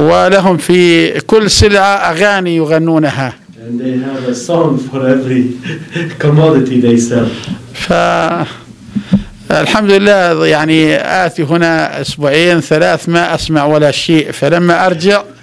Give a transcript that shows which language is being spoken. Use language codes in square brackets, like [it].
[ar] ولهم في كل سلعة أغاني يغنونها. [en] And they have a song for every commodity they sell. [ar] فالحمد لله يعني آتي هنا أسبوعين ثلاث ما أسمع ولا شيء، فلما أرجع